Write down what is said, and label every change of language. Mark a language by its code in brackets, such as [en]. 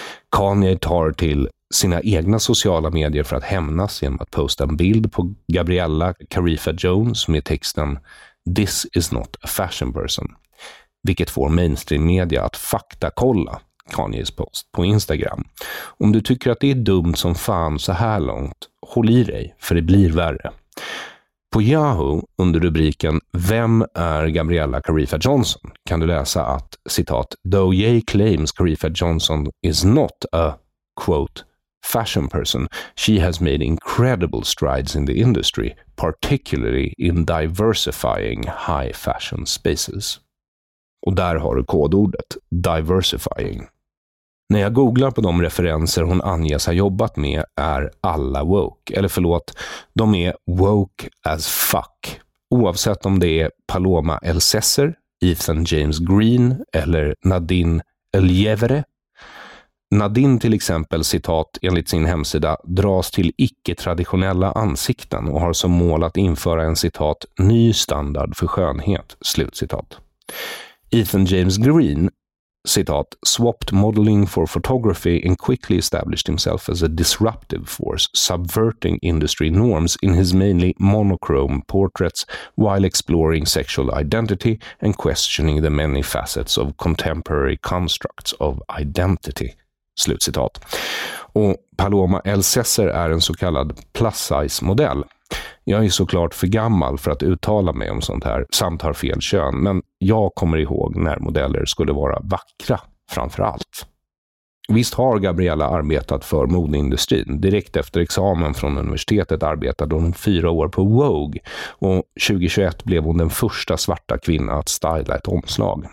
[sv] Kanye tar till sina egna sociala medier för att hämnas genom att posta en bild på Gabriella Carifa Jones med texten [en] "This is not a fashion person", [sv] vilket får mainstream media att faktakolla Kanyes post på Instagram. Om du tycker att det är dumt som fan så här långt, håll i dig, för det blir värre. På Yahoo under rubriken "Vem är Gabriella Carifa Johnson?" kan du läsa att, citat, [en] "Though Ye claims Carifa Johnson is not a, quote, fashion person, she has made incredible strides in the industry, particularly in diversifying high fashion spaces." [sv] Och där har du kodordet, diversifying. När jag googlar på de referenser hon anges har jobbat med är alla woke. Eller förlåt, de är [en] woke as fuck. [sv] Oavsett om det är Paloma Elsesser, Ethan James Green eller Nadine Elievere. Nadine till exempel, citat, enligt sin hemsida, dras till icke-traditionella ansikten och har som mål att införa en, citat, ny standard för skönhet, slutcitat. [en] Ethan James Green, [sv] citat, [en] "swapped modeling for photography and quickly established himself as a disruptive force, subverting industry norms in his mainly monochrome portraits while exploring sexual identity and questioning the many facets of contemporary constructs of identity." [sv] Slutcitat. Och Paloma Elsesser är en så kallad plus-size-modell. Jag är såklart för gammal för att uttala mig om sånt här, samt har fel kön, men jag kommer ihåg när modeller skulle vara vackra framför allt. Visst har Gabriella arbetat för modeindustrin. Direkt efter examen från universitetet arbetade hon 4 år på Vogue, och 2021 blev hon den första svarta kvinnan att styla ett omslag.